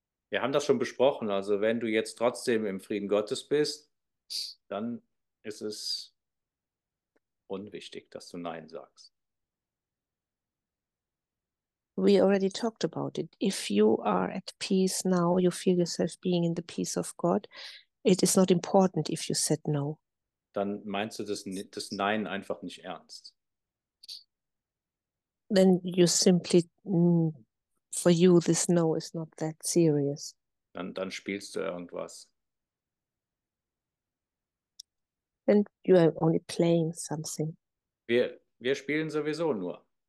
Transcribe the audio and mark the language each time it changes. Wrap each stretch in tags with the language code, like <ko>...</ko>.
<de>Wir haben das schon besprochen, also wenn du jetzt trotzdem im Frieden Gottes bist, dann ist es unwichtig, dass du nein sagst.</de> <en>We already talked about it. If you are at peace now, you feel yourself being in the peace of God, it is not important if you said no.</en> <de>Dann meinst du das Nein einfach nicht ernst.</de> <en>Then you simply, for you, this no is not that serious.</en> <de>Dann spielst du irgendwas.</de> <en>And you are only playing something.</en> <de>Wir spielen sowieso nur.</de>